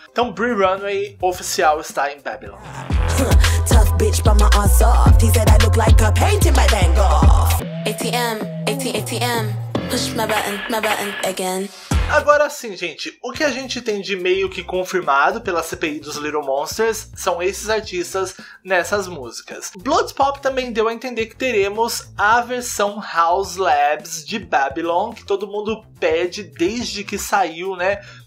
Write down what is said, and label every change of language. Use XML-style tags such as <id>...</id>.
<pt>Então, Bree Runway oficial está em Babylon.</pt> <en>Tough bitch, but my ass soft. He said I look like a painting by Van Gogh. ATM, ATM, push my button again.</en> <pt>Agora sim, gente, o que a gente tem de meio que confirmado pela CPI dos Little Monsters são esses artistas nessas músicas. Blood Pop também deu a entender que teremos a versão House Labs de Babylon, que todo mundo pede desde que saiu, né?</pt>